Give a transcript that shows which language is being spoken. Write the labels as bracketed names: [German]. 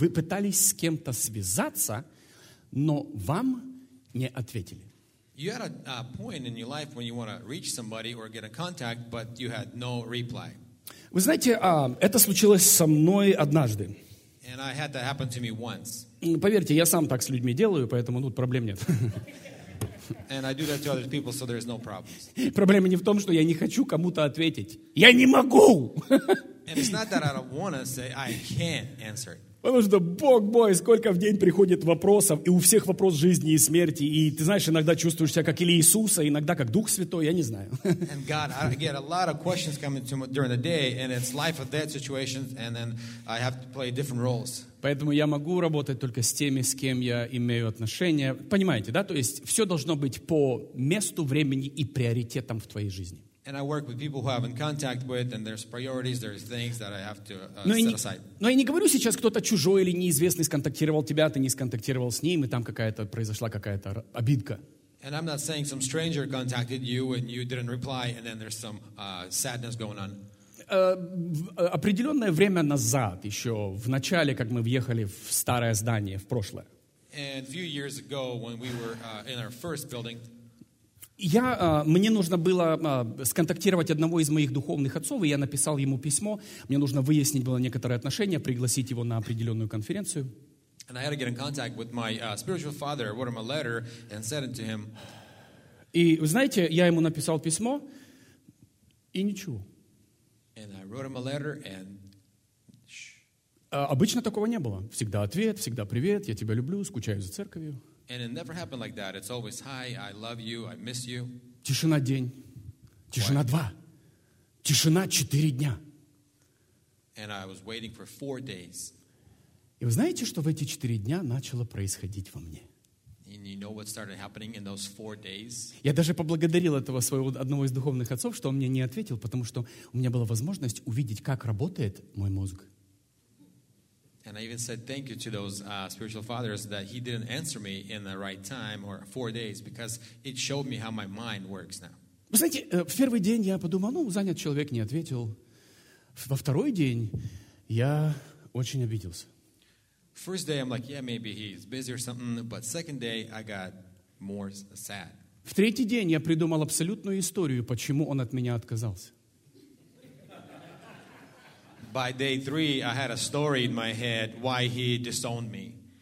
[Russian] Вы пытались с кем-то связаться, но вам не ответили. [English] You had a point in your life when you want to reach somebody or get a contact, but you had no reply. [Russian] Вы знаете, это случилось со мной однажды. [English] And I had that happen to me once. [Russian] Поверьте, я сам так с людьми делаю, поэтому тут проблем нет. [English] And I do that to other people, so there is no problem. [Russian] Проблема не в том, что я не хочу кому-то ответить. Я не могу! [English] And it's not that I don't want to say I can't answer it. [Russian] Потому что, бог мой, сколько в день приходит вопросов, и у всех вопрос жизни и смерти, и ты знаешь, иногда чувствуешь себя как или Иисуса, иногда как Дух Святой, я не знаю. [English] And God, I get a lot of questions coming to me during the day, and it's life or death situations, and then I have to play different roles. [Russian] Поэтому я могу работать только с теми, с кем я имею отношения. Понимаете, да? То есть все должно быть по месту, времени и приоритетам в твоей жизни. [English] And I work with people who I'm in contact with, and there's priorities, there's things that I have to set aside. [Russian] Но я не говорю сейчас, кто-то чужой или неизвестный сконтактировал тебя, ты не сконтактировал с ним, и там произошла какая-то обидка. [English] And I'm not saying some stranger contacted you and you didn't reply, and then there's some sadness going on. [Russian] Определенное время назад, еще в начале, как мы въехали в старое здание, в прошлое. [English] And a few years ago, when we were in our first building. [Russian] Мне нужно было сконтактировать одного из моих духовных отцов, и я написал ему письмо. Мне нужно выяснить было некоторые отношения, пригласить его на определенную конференцию. [English] And I had to get in contact with my spiritual father, wrote him a letter, and said it to him. [Russian] И, знаете, я ему написал письмо, и ничего. [English] And I wrote him a letter, and... [Russian] Обычно такого не было. Всегда ответ, всегда привет, я тебя люблю, скучаю за церковью. [English] And it never happened like that. It's always hi, I love you, I miss you. [Russian] Тишина день. Тишина два. Тишина 4 дня. [English] And I was waiting for 4 days. [Russian] И вы знаете, что в эти 4 дня начало происходить во мне? [English] And you know what started happening in those 4 days? [Russian] Я даже поблагодарил этого своего одного из духовных отцов, что он мне не ответил, потому что у меня была возможность увидеть, как работает мой мозг. [English] And I even said thank you to those spiritual fathers that he didn't answer me in the right time or 4 days because it showed me how my mind works now. [Russian] Вы знаете, в первый день я подумал, ну, занят человек, не ответил. Во второй день я очень обиделся. [English] First day, I'm like, yeah, maybe he's busy or something, but second day, I got more sad. [Russian] В третий день я придумал абсолютную историю, почему он от меня отказался. [English] By day three, I had a story in my head why he disowned me.